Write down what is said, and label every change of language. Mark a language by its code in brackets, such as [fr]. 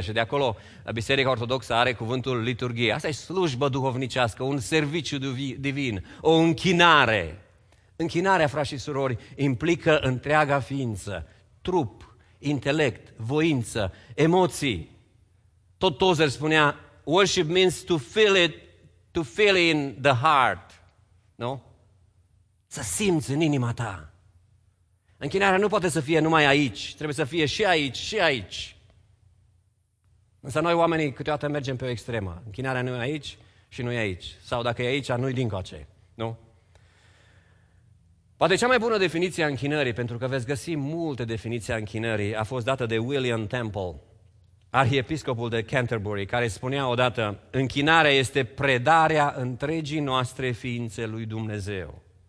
[ro] Și de acolo Biserica Ortodoxă are cuvântul liturghie. Asta e slujbă duhovnicească, un serviciu divin, o închinare. Închinarea, frați și surori, implică întreaga ființă. Trup, intelect, voință, emoții. Tot Tozer spunea, [en] worship means to feel it, to feel in the heart. [ro] Nu? Să simți în inima ta. Închinarea nu poate să fie numai aici. Trebuie să fie și aici, și aici. Însă noi oamenii câteodată mergem pe o extremă. Închinarea nu e aici și nu e aici. Sau dacă e aici, nu-i dincoace. Nu? Poate cea mai bună definiție a închinării, pentru că veți găsi multe definiții a închinării, a fost dată de William Temple, arhiepiscopul de Canterbury, care spunea odată, închinarea este predarea întregii noastre ființe lui Dumnezeu.